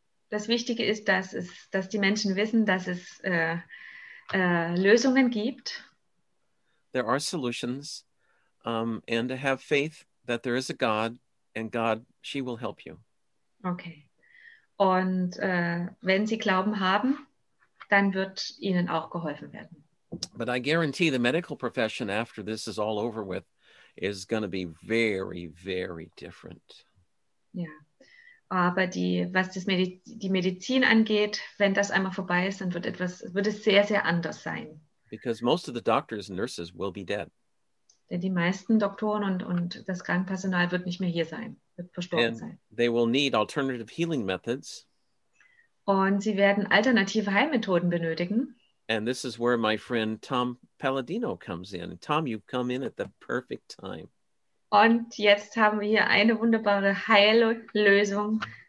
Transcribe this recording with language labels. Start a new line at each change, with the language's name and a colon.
German: das Wichtige ist, dass die Menschen wissen, dass es Lösungen gibt.
English: There are solutions, and to have faith that there is a God, and God, she will help you. Okay.
German: Und wenn Sie Glauben haben, dann wird Ihnen auch geholfen werden.
English: But I guarantee the medical profession after this is all over with is going to be very, very different.
German: Ja, aber was die Medizin angeht, wenn das einmal vorbei ist, dann wird es sehr, sehr anders sein.
English: Because most of the doctors and nurses will be dead.
German: Denn die meisten Doktoren und das Krankenpersonal wird nicht mehr hier sein, wird verstorben
English: and
German: sein.
English: They will need alternative healing methods.
German: Und sie werden alternative Heilmethoden benötigen.
English: And this is where my friend Tom Palladino comes in. Tom, you've come in at the perfect time.
German: Und jetzt haben wir hier eine wunderbare Heillösung.